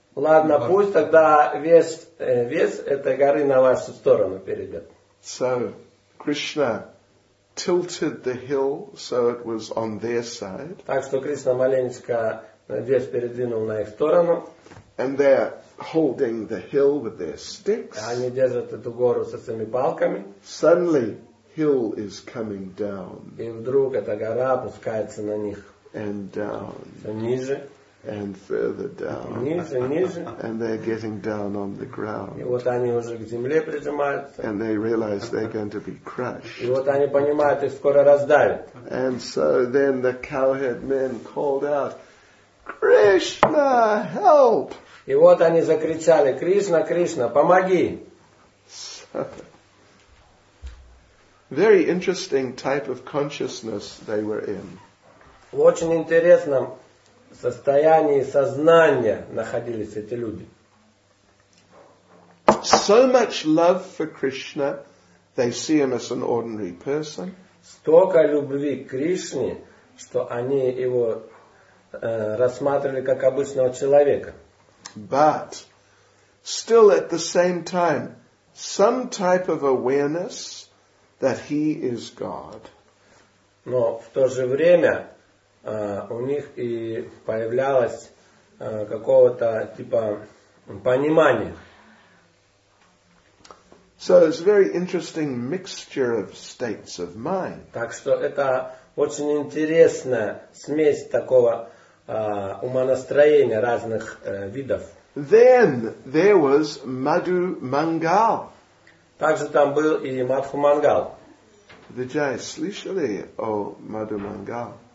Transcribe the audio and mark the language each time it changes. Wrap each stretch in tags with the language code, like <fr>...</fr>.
<ru>Ладно, пусть тогда вес этой горы на вашу сторону перейдет.</ru> <en>So, Krishna tilted the hill so it was on their side.</en> <ru>Так что Кришна маленечко вес передвинул на их сторону.</ru> <en>And they're holding the hill with their sticks.</en> <ru>Они держат эту гору со своими палками.</ru> <en>Suddenly, hill is coming down.</en> <ru>И вдруг эта гора опускается на них.</ru> <en>And down.</en> <ru>Все ниже.</ru> <en>And further down.</en> <ru>Ниже, ниже.</ru> <en>And they're getting down on the ground.</en> <ru>И вот они уже к земле прижимаются.</ru> <en>And they realize they're going to be crushed.</en> <ru>И вот они понимают, их скоро раздавят.</ru> <en>And so then the cowherd men called out, Krishna, help!</en> <ru>И вот они закричали: Кришна, Кришна, помоги!</ru> <en>Very interesting type of consciousness they were in.</en> <ru>В очень интересном состоянии сознания находились эти люди.</ru> <en>So much love for Krishna, they see him as an ordinary person.</en> <ru>Столько любви к Кришне, что они его рассматривали как обычного человека.</ru> <en>But still at the same time, some type of awareness that he is God.</en> <ru>Но в то же время у них и появлялось какого-то типа понимания.</ru> <en>So it's a very interesting mixture of states of mind.</en> <ru>Так что это очень интересная смесь такого умонастроения разных видов.</ru> <en>Then there was Madhu Mangal.</en> <ru>Также там был и Мадху Мангал. Vijay, слышали о Madhu Mangal?</ru>